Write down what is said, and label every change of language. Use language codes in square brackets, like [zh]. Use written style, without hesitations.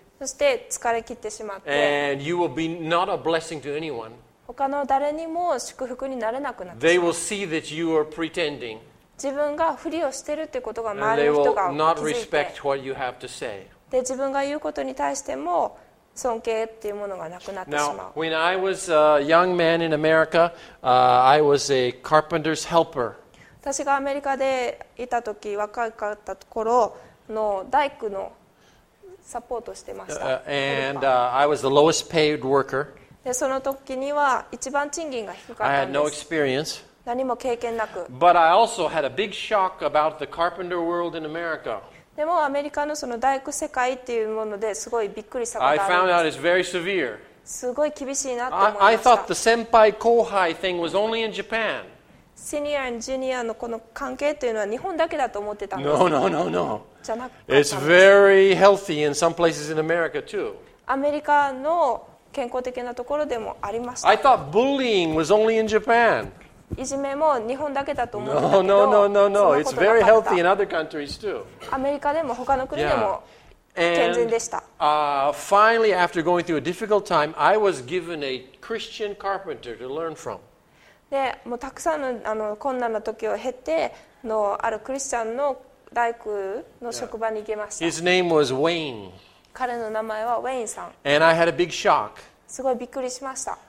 [ja] そして疲れ切ってしまって。 [en] And you will be not a blessing to anyone. [ja] 他の誰にも祝福になれなくなってしまう。 [en] They will see that you are pretending. [ja] 自分がふりをしてるってことが周りの人が気づいて。 [en] And they will not respect what you have to say. [ja] で、自分が言うことに対しても尊敬っていうものがなくなってしまう。 [en] Now, when I was a young man in America, I was a carpenter's helper. [ja] 私がアメリカでいた時、若かったところの大工のサポートしてました。 [en] And I was the lowest paid worker. [ja] で、その時には一番賃金が低かったんです。 [en] I had no experience. [ja] 何も経験なく。 [en] But I also had a big shock about the carpenter world in America. [ja] でもアメリカのその大工世界っていうものですごいびっくりしたことがあります [en] 。I found out it's very severe. [ja] すごい厳しいなって思いました。 [en] I thought the senpai kohai thing was only in Japan. Senior and junior [ja] のこの関係っていうのは日本だけだと思ってたんです。 [en] No, no, no, no. [ja] じゃなくて。 [en] It's very healthy in some places in America too. [ja] アメリカの健康的なところでもありました。 [en] I thought bullying was only in Japan. [ja] いじめも日本だけだと思うんだ [en] けど、no, no, no, no, no. It's very healthy in other countries too. [ja] アメリカでも他の国でも健全でした。 Yeah. [en] And, finally, after going through a difficult time, I was given a Christian carpenter to learn from. [ja] で、もうたくさん の, あの困難な時を経てのあるクリスチャンの大工の職場に行けました。 [en] Yeah. His name was Wayne. [ja] 彼の名前はウェインさん。 [en] And I had a big shock. [ja] すごいびっくりしました。